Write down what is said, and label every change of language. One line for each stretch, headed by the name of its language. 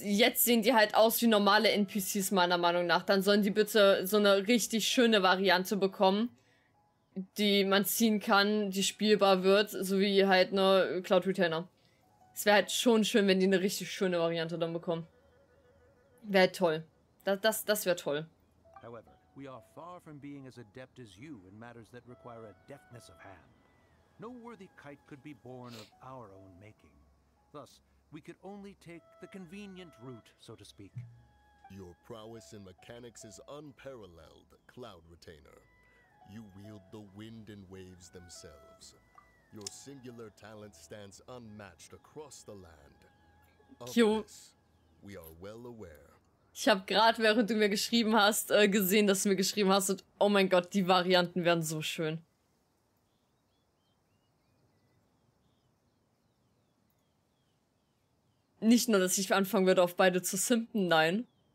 German: Jetzt sehen die halt aus wie normale NPCs, meiner Meinung nach. Dann sollen die bitte so eine richtig schöne Variante bekommen, die man ziehen kann, die spielbar wird, so wie halt eine Cloud Retainer. Es wäre halt schon schön, wenn die eine richtig schöne Variante dann bekommen. Wäre halt toll. Das wäre toll.
English: However, we are far from being as adept as you in matters that require a deftness of hand. No worthy kite could be born of our own making. Thus, we could only take the convenient route, so to speak. Your prowess in mechanics is unparalleled, Cloud Retainer. You wield the wind and waves themselves. Your singular talent stands unmatched across the land. Of this, we are well aware.
German: Ich habe gerade, während du mir geschrieben hast, gesehen, dass du mir geschrieben hast und oh mein Gott, die Varianten werden so schön. Nicht nur, dass ich anfangen würde, auf beide zu simpen, nein.